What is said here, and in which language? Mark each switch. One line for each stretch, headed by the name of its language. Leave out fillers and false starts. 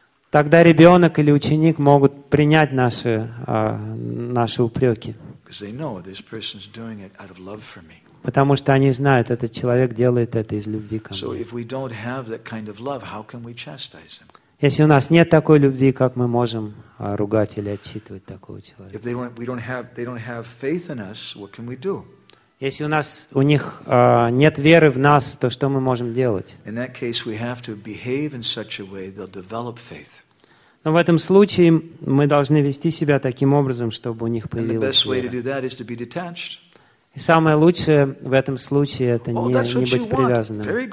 Russian: Тогда ребенок или ученик могут принять наши упреки.
English: Because they know this person is doing it out of love for me.
Russian: Потому что они знают, этот человек делает это из любви ко мне.
English: So if we don't have that kind of love, how can we chastise him?
Russian: Если у нас нет такой любви, как мы можем ругать или отчитывать такого человека?
English: If they don't have faith in us, what can we do?
Russian: Если у них нет веры в нас, то что мы можем делать?
English: In that case, we have to behave in such a way they'll develop faith.
Russian: Но в этом случае мы должны вести себя таким образом, чтобы у них появилась вера. И самое лучшее в этом случае – это не быть привязанным.